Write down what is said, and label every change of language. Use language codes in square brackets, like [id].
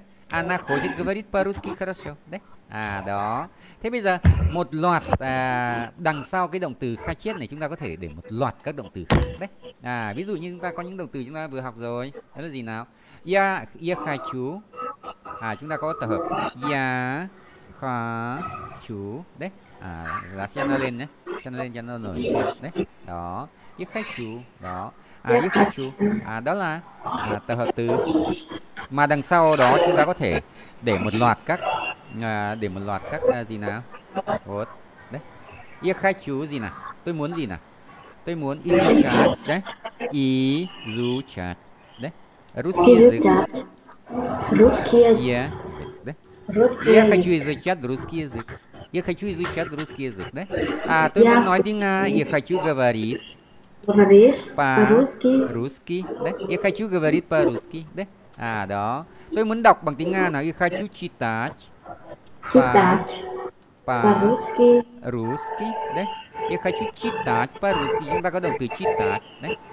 [ru] Anna хочет говорить по-русски хорошо. [vi] Đó. Thế bây giờ một loạt đằng sau cái động từ khai triệt này chúng ta có thể để một loạt các động từ khác đấy. Ví dụ như chúng ta có những động từ chúng ta vừa học rồi. Đó là gì nào? [ru] Я хочу. [vi] Chúng ta có tập hợp [ru] я хочу [vi] đấy. Là xe nó lên nhé. Xe nó lên cho nó nổi chuyện đấy. Đó. [ru] Я хочу. Đó. Я хочу. [vi] Đó là tập hợp từ mà đằng sau đó chúng ta có thể để một loạt các Để một loạt các gì nào. Вот. Đấy. Я хочу gì nào? Tôi muốn gì nào? Tôi muốn изучать, đấy. [ru] Изучать. Đấy. Русский язык. Русский язык. Я. Русский. Я хочу изучать русский язык. Я хочу изучать русский язык, да? А тут я... одной дня я хочу говорить. Говоришь по-русски. Русский, да? Я хочу говорить по-русски, да? А, да. [vi] Ты muốn đọc bằng tiếng Nga nào? [ru] Я хочу читать. Читать. По-русски. Русский, да? Я хочу читать по-русски. [vi] Chúng ta có động từ [ru] читать, да?